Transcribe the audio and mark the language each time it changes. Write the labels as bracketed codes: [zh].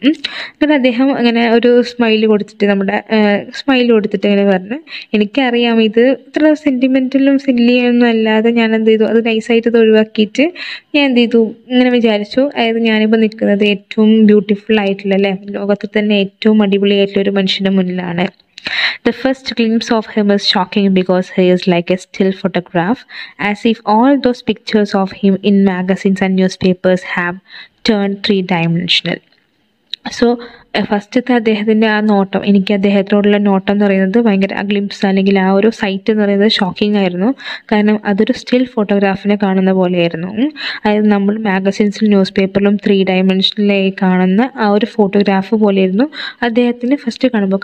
[ml] എന്നിട്ട് അദ്ദേഹം അങ്ങനെ ഒരു സ്മൈൽ കൊടുത്തിട്ട്, നമ്മുടെ സ്മൈൽ കൊടുത്തിട്ട് ഇങ്ങനെ പറഞ്ഞു, എനിക്കറിയാം ഇത് ഇത്ര സെൻറ്റിമെൻ്റലും സില്ലിയൊന്നും അല്ലാതെ ഞാൻ എന്ത് ചെയ്തു, അത് നൈസായിട്ട് അത് ഒഴിവാക്കിയിട്ട് ഞാൻ എന്ത് ചെയ്തു, ഇങ്ങനെ വിചാരിച്ചു. അതായത് ഞാനിപ്പോൾ നിൽക്കുന്നത് ഏറ്റവും ബ്യൂട്ടിഫുൾ ആയിട്ടുള്ള, അല്ലേ, ലോകത്തിൽ തന്നെ ഏറ്റവും അടിപൊളിയായിട്ടുള്ള ഒരു മനുഷ്യൻ്റെ മുന്നിലാണ്. [en] The first glimpse of him is shocking because he is like a still photograph, as if all those pictures of him in magazines and newspapers have turned three-dimensional. [ml] So ഫസ്റ്റത്തെ അദ്ദേഹത്തിൻ്റെ ആ നോട്ടം, എനിക്ക് അദ്ദേഹത്തോടുള്ള നോട്ടം എന്ന് പറയുന്നത് ഭയങ്കര ആ ഗ്ലിംസ് അല്ലെങ്കിൽ ആ ഒരു സൈറ്റ് എന്ന് പറയുന്നത് ഷോക്കിംഗ് ആയിരുന്നു. കാരണം അതൊരു സ്റ്റിൽ ഫോട്ടോഗ്രാഫിനെ കാണുന്ന പോലെയായിരുന്നു, അതായത് നമ്മൾ മാഗസിൻസിലും ന്യൂസ് പേപ്പറിലും 3D കാണുന്ന ആ ഒരു ഫോട്ടോഗ്രാഫ് പോലെയായിരുന്നു അദ്ദേഹത്തിന് ഫസ്റ്റ് കാണുമ്പോൾ.